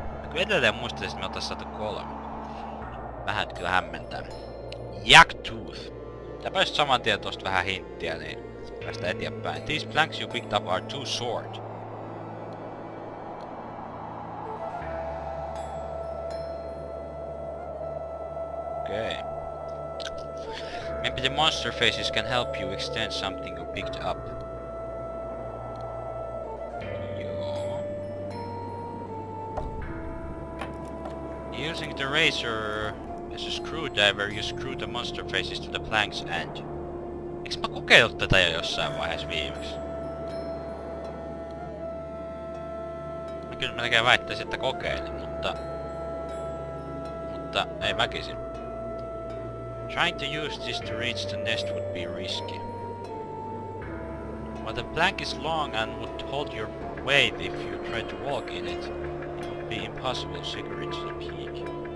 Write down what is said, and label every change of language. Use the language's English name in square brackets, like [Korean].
[Finnish] Mä kyllä edelleen muistelisin, että me oltais saatu 3. Vähän kyllä hämmentää. Jacktooth! Tääpä just saman tien tosta vähän hinttiä, niin päästä eteenpäin. [English] These planks you picked up are too short. Okei. Okay. Maybe the monster faces can help you extend something you picked up. [Finnish] Joo. [English] Using the razor as a screwdriver, you screw the monster faces to the plank's end. [Finnish] Eiks mä kokeillut tätä jo jossain vaiheessa viimeks? Mä kyllä melkein väittäisin, että kokeilin, mutta... Mutta ei mäkisin. [English] Trying to use this to reach the nest would be risky. But the plank is long and would hold your weight if you tried to walk in it. It would be impossible to secure it to the peak.